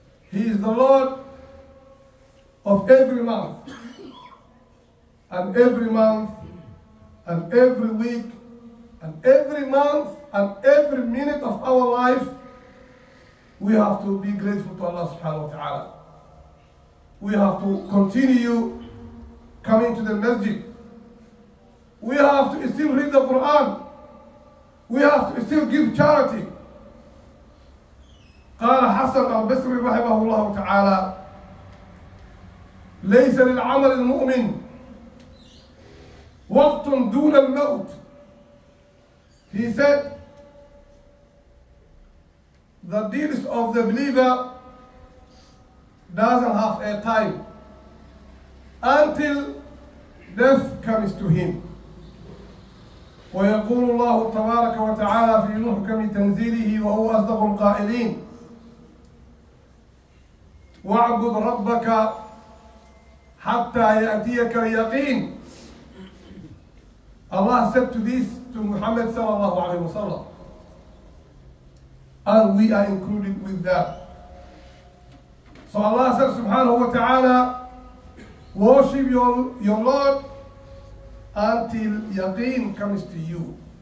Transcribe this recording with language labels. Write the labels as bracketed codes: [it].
[en] He is the Lord of every month and every month and every week and every month and every minute of our life. We have to be grateful to Allah subhanahu wa ta'ala. We have to continue coming to the masjid. We have to still read the Quran. We have to still give charity. [ar] قال حسن البصري رحمه الله تعالى ليس للعمل المؤمن وقت دون الموت. [en] He said the deeds of the believer doesn't have a time until death comes to him. [ar] ويقول الله تبارك وتعالى في محكم تنزيله وهو أصدق القائلين واعبد ربك حتى يأتيك اليقين. [en] Allah said to this to Muhammad [ar] صلى الله عليه وسلم. [en] And we are included with that. So Allah said subhanahu wa ta'ala, worship your Lord until yaqeen comes to you.